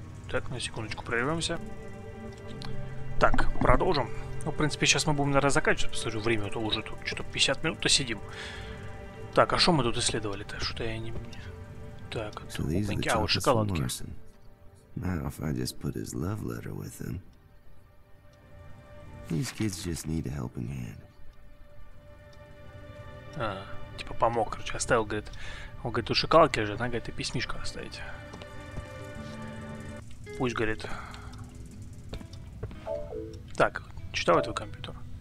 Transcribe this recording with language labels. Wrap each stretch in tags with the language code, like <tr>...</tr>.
<ru>Так, на секундочку прервемся. Так, продолжим. Ну, в принципе, сейчас мы будем, наверное, заканчивать. Посмотрю, время то уже тут что-то 50 минут-то сидим. Так, а что мы тут исследовали-то? Что-то я не... Так, это кубики, а вот шоколадки.</ru> <en>Now, if I just put his love letter with him, these kids just need a helping hand.</en> <ru>А, типа помог, короче, оставил, говорит. Он говорит, у шоколадки же, она, говорит, и письмишко оставить. Пусть, говорит. Так, читал твой компьютер.</ru>